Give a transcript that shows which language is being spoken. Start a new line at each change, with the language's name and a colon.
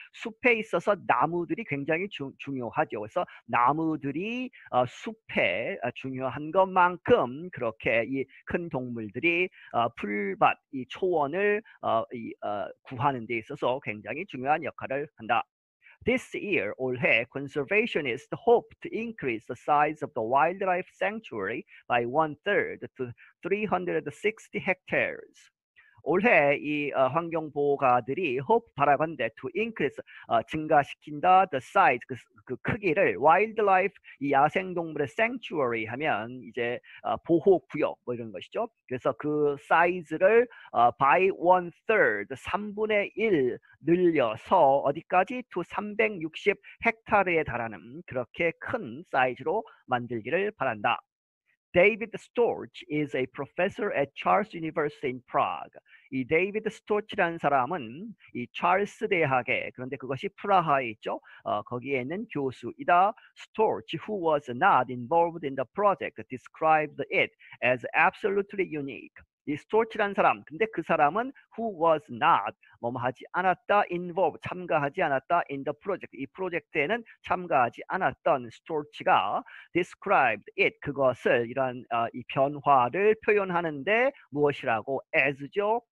Korean: 숲에 있어서 나무들이 굉장히 중요하죠. 그래서 나무들이 숲에 중요한 것만큼 그렇게 이큰 동물들이 풀밭 이 초원을 구하는 데 있어서 굉장히 중요한 역할을 한다.
English: This year,
Korean: 올해,
English: conservationists hope to increase the size of the wildlife sanctuary by one-third to 360 hectares.
Korean: 올해 이 환경보호가들이 hope 바라건대
English: to increase
Korean: 증가시킨다
English: the size
Korean: 그 크기를 wildlife 이 야생동물의 sanctuary 하면 이제 보호구역 뭐 이런 것이죠. 그래서 그 size를
English: by one-third
Korean: 3분의 1 늘려서 어디까지 to 360 헥타르에 달하는 그렇게 큰 사이즈로 만들기를 바란다.
English: David Storch is a professor at Charles University in Prague.
Korean: 이 데이비드 스토치라는 사람은 이 찰스 대학에 그런데 그것이 프라하에 있죠. 거기에 있는 교수이다.
English: Storch, who was not involved in the project, described it as absolutely unique.
Korean: 이 스토치라는 사람, 근데 그 사람은
English: who was not
Korean: 뭐뭐 하지 않았다, involved 참가하지 않았다
English: in the project
Korean: 이 프로젝트에는 참가하지 않았던 스토치가
English: described it
Korean: 그것을 이런 이 변화를 표현하는데 무엇이라고 as죠?